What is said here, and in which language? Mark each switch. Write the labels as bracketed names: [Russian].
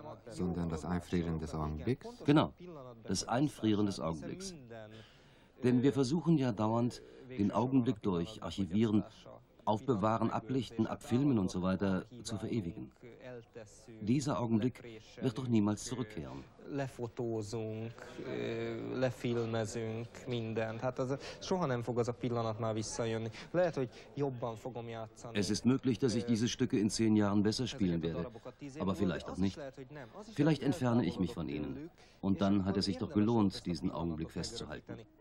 [German] Sondern das Einfrieren des Augenblicks? Genau, das Einfrieren des Augenblicks. Denn wir versuchen ja dauernd, den Augenblick durch Archivieren aufbewahren, ablichten, abfilmen und so weiter, zu verewigen. Dieser Augenblick wird doch niemals zurückkehren. [Hungarian] Lefotózunk, lefilmezünk mindent. Hát az soha nem fog az a pillanat már visszajönni. Lehet, hogy jobban fogom játszani. [German] Es ist möglich, dass ich diese Stücke in 10 Jahren besser spielen werde. Aber vielleicht auch nicht. Vielleicht entferne ich mich von ihnen. Und dann hat es sich doch gelohnt, diesen Augenblick festzuhalten.